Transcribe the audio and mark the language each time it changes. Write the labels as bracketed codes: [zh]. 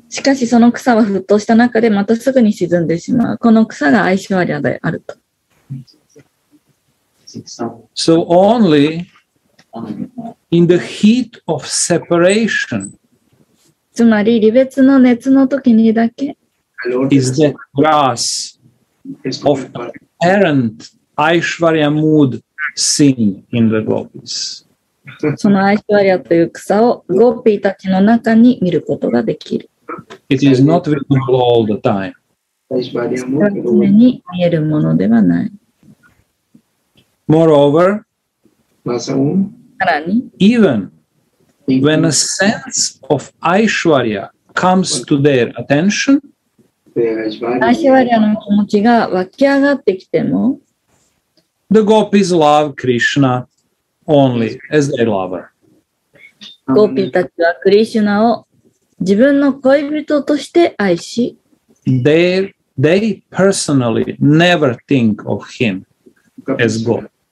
[ja] しかしその草は沸騰した中でまたすぐに沈んでしまう。この草が相性ありであると。 [en] So only in the heat of separation, [ja] つまり離別の熱の時にだけ [en] is the grass of apparent Aishwarya mood seen in the gopis. [ja] そのアイシュワリアという草をゴピーたちの中に見ることができる。 [en] It is not visible all the time. [ja] 常に見えるものではない。 [en] Moreover, Rani, even when a sense of Aishwarya comes to their attention, [ja] Aishwarya の気持ちが湧き上がってきても, [en] the gopis love Krishna only as their lover. [ja] Gopi たちはクリシュナを自分の恋人として愛し, [en] they personally never think of him as God.